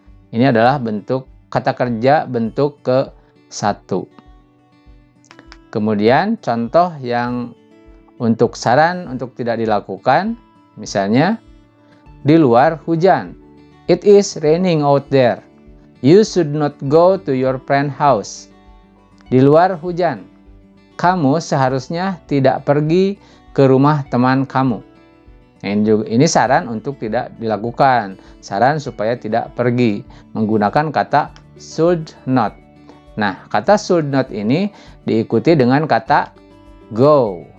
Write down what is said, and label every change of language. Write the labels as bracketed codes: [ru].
[id] Ini adalah bentuk kata kerja bentuk ke satu. Kemudian contoh yang untuk saran untuk tidak dilakukan, misalnya di luar hujan. [en] It is raining out there. You should not go to your friend's house. [id] Di luar hujan, kamu seharusnya tidak pergi ke rumah teman kamu. Ini saran untuk tidak dilakukan. Saran supaya tidak pergi menggunakan kata should not. Nah, kata should not ini diikuti dengan kata go.